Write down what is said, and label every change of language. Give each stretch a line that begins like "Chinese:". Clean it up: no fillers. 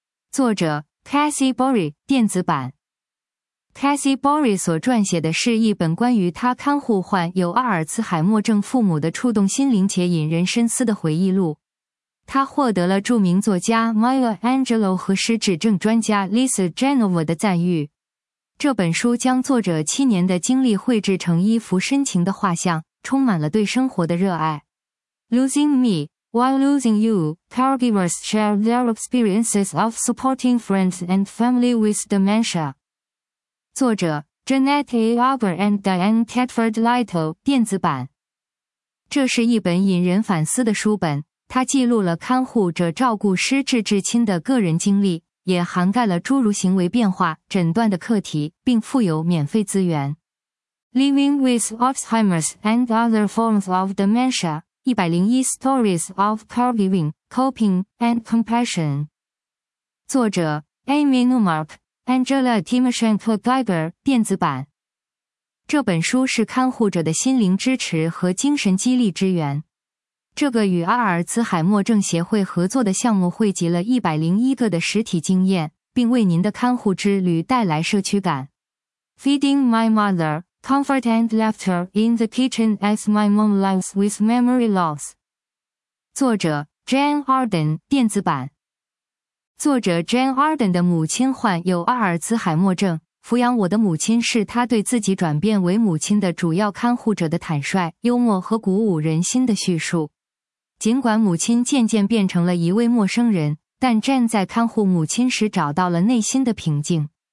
Chinese: 作者 Cassie Bory， 电子版。Cassie Bory 所撰写的是一本关于他看护患有阿尔茨海默症父母的触动心灵且引人深思的回忆录。他获得了著名作家 Maya Angelou 和失智症专家 Lisa Genova 的赞誉。这本书将作者七年的经历绘制成一幅深情的画像，充满了对生活的热爱。
English: Losing me, while losing you, caregivers share their experiences of supporting friends and family with dementia.
Chinese: 作者 Jeanette Auger and Diane Tedford Little， 电子版。这是一本引人反思的书本，它记录了看护者照顾失智至亲的个人经历，也涵盖了诸如行为变化、诊断的课题，并附有免费资源。
English: Living with Alzheimer's and other forms of dementia. 101 Stories of Caregiving, Coping, and Compassion。
Chinese: 作者 Amy Newmark, Angela Timoshenko Geiger, 电子版。这本书是看护者的心灵支持和精神激励之源。这个与阿尔茨海默症协会合作的项目汇集了101个的实体经验，并为您的看护之旅带来社区感。
English: Feeding My Mother,Comfort and Laughter in the Kitchen as My Mom Lives with Memory Loss。
Chinese: 作者 Jane Arden, 电子版。作者 Jane Arden 的母亲患有阿尔茨海默症，抚养我的母亲是她对自己转变为母亲的主要看护者的坦率、幽默和鼓舞人心的叙述。尽管母亲渐渐变成了一位陌生人，但 Jane 在看护母亲时找到了内心的平静。